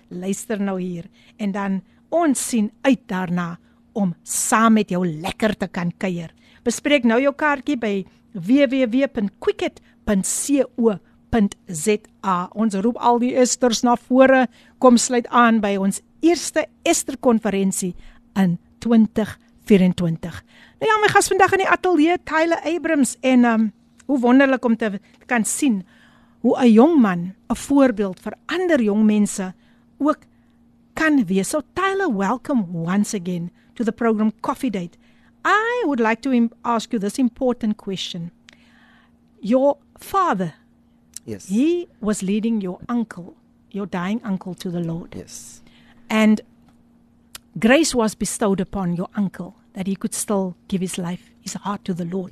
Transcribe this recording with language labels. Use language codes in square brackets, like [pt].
[af] Luister nou hier en dan ons sien uit daarna om saam met jou lekker te kan kuier. Bespreek nou jou kaartjie by www.quicket.co.za. Ons roep al die esters na vore. Kom sluit aan by ons eerste Esterkonferensie in 2024. Nou ja, my gas vandag in die ateljee, Tyler Abrams, en hoe wonderlik om te kan sien hoe 'n jong man 'n voorbeeld vir ander jong mense ook kan wees. [en] So Tyler, welcome once again to the program Koffiedate. I would like to ask you this important question. Your father, yes, he was leading your uncle, your dying uncle, to the Lord. Yes. And grace was bestowed upon your uncle that he could still give his life, his heart to the Lord.